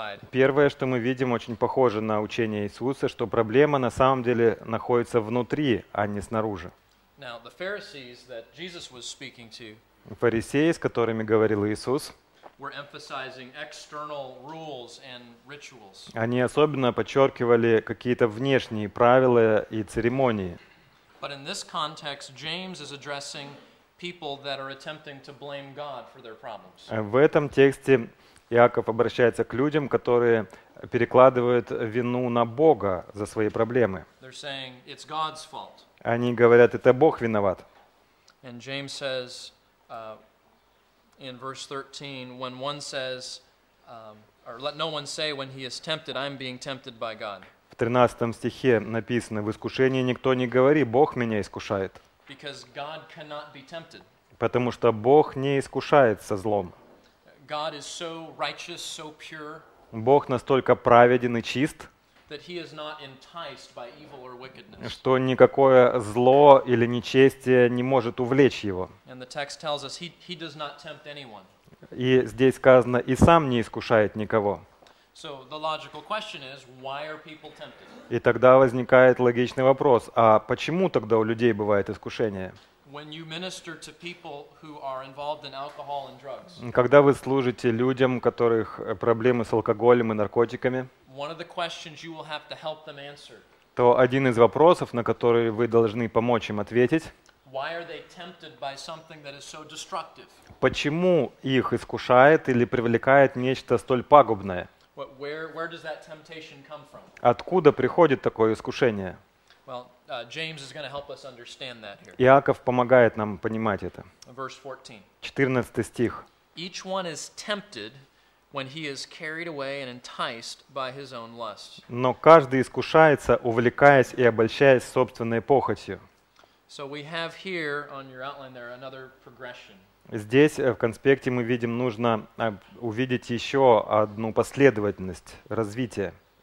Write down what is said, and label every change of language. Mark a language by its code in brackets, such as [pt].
[ru] Первое, что мы видим, очень похоже на учение Иисуса, что проблема на самом деле находится внутри, а не снаружи. [en] Now, the Pharisees that Jesus was speaking to, [ru] фарисеи, с которыми говорил Иисус, [en] were emphasizing external rules and rituals. [ru] Они особенно подчеркивали какие-то внешние правила и церемонии. [en] But in this context, James is addressing people that are attempting to blame God for their problems. [ru] В этом тексте Иаков обращается к людям, которые перекладывают вину на Бога за свои проблемы. [en] They're saying it's God's fault. [ru] Они говорят: это Бог виноват. [en] And James says, in verse 13, when one says, or let no one say when he is tempted, I'm being tempted by God. [ru] В 13 стихе написано: в искушении никто не говори: Бог меня искушает. [en] Because God cannot be tempted. [ru] Потому что Бог не искушается злом. [en] God is so righteous, so pure. [ru] Бог настолько праведен и чист, [en] that he is not enticed by evil or wickedness. [ru] Что никакое зло или нечестие не может увлечь его. [en] And the text tells us he does not tempt anyone. [ru] И здесь сказано: и сам не искушает никого. [en] So the logical question is, why are people tempted? [ru] И тогда возникает логичный вопрос: а почему тогда у людей бывает искушение? [en] When you minister to people who are involved in alcohol and drugs. [ru] Когда вы служите людям, у которых проблемы с алкоголем и наркотиками, [en] one of the questions you will have to help them answer. [ru] То один из вопросов, на который вы должны помочь им ответить: [en] why are they tempted by something that is so destructive? [ru] Почему их искушает или привлекает нечто столь пагубное? [en] What, where does that temptation come from? [ru] Откуда приходит такое искушение? [en] Well, James is going to help us understand that here. [ru] Иаков помогает нам понимать это. [en] Verse 14. [ru] 14 стих. [en] Each one is tempted when he is carried away and enticed by his own lust. [ru] Но каждый искушается, увлекаясь и обольщаясь собственной похотью. [en] So we have here on your outline there another progression. [ru] Здесь в конспекте мы видим, нужно увидеть еще одну последовательность развития.